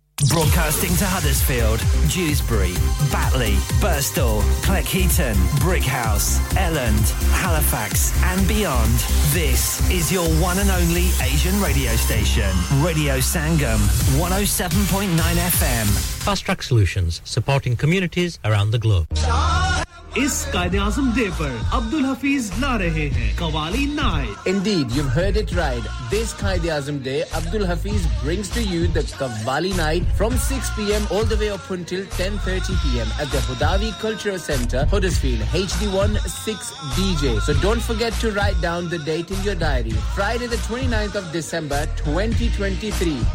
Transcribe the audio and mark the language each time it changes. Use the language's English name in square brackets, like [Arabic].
[English] Broadcasting to Huddersfield, Dewsbury, Batley, Birstall, Cleckheaton, Brickhouse, Elland, Halifax and beyond. This is your one and only Asian radio station. Radio Sangam, 107.9 FM. Fast Track Solutions, supporting communities around the globe. [Hindi] इस कायदेआजम day पर अब्दुल हफीज ला रहे हैं qawwali night [English] Indeed, you've heard it right. This Qaid-e-Azam Day, Abdul Hafiz brings to you the Qawwali Night from 6 p.m. all the way up until 10:30 p.m. at the Hudawi Cultural Centre, Huddersfield, HD1 6DJ. So don't forget to write down the date in your diary. Friday the 29th of December 2023.